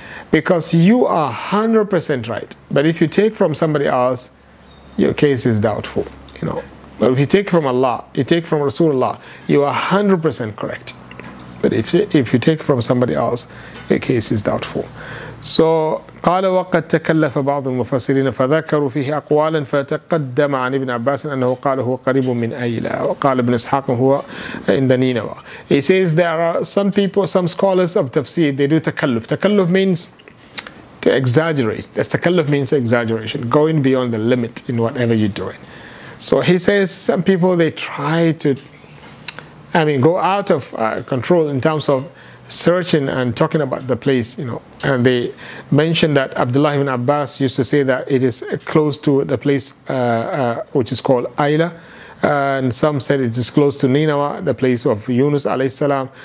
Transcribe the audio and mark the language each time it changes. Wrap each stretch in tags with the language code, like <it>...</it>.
<en>Because you are 100% right. But if you take from somebody else, your case is doubtful, you know. But if you take from Allah, you take from Rasulullah, you are 100% correct. But if you take from somebody else, your case is doubtful.</en> <ar>So, قال وقد تكلف بعض المفسرين فذكروا فيه أقوالا فتقدم عن ابن عباس أنه قال هو قريب من أيلة وقال ابن إسحاق هو</ar> <en>in the Nineveh. He says there are some people, some scholars of tafsir, they do takalluf. Takalluf means to exaggerate. That's takalluf means exaggeration, going beyond the limit in whatever you're doing. So he says some people, they try to, I mean, go out of control in terms of searching and talking about the place, you know, and they mentioned that Abdullah ibn Abbas used to say that it is close to the place which is called Ayla, and some said it is close to Nineveh, the place of Yunus alayhi salam.</en>